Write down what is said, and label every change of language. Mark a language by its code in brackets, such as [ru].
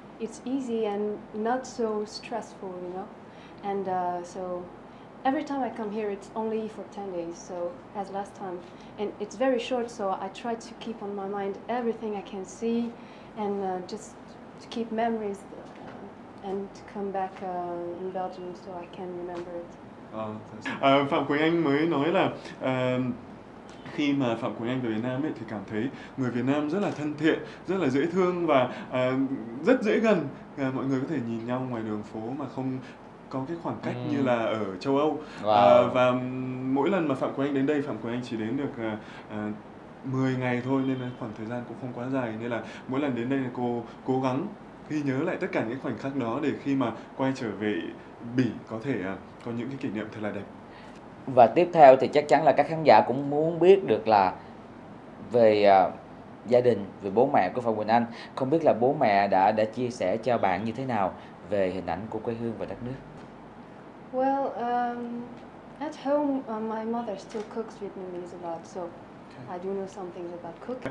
[en] It's easy and not so stressful, you know? And so every time I come here, it's only for 10 days, so as last time. And it's very short, so I try to keep on my mind everything I can see and just to keep memories and to come back in Belgium so I can remember it. [vi] Phạm Quỳnh Anh mới nói là khi mà Phạm Quỳnh Anh về Việt Nam ấy thì cảm thấy người Việt Nam rất là thân thiện, rất là dễ thương và rất dễ gần. Mọi người có thể nhìn nhau ngoài đường phố mà không có cái khoảng cách như là ở châu Âu. Wow. Và mỗi lần mà Phạm Quỳnh Anh đến đây, Phạm Quỳnh Anh chỉ đến được 10 ngày thôi nên khoảng thời gian cũng không quá dài, nên là mỗi lần đến đây cô cố gắng ghi nhớ lại tất cả những khoảnh khắc đó để khi mà quay trở về Bỉ có thể có những cái kỷ niệm thật là đẹp. Và tiếp theo thì chắc chắn là các khán giả cũng muốn biết được là về gia đình, về bố mẹ của Phạm Quỳnh Anh, không biết là bố mẹ đã chia sẻ cho bạn như thế nào về hình ảnh của quê hương và đất nước. [en] Well, at home my mother still cooks Vietnamese a lot, so I do know some things about cooking.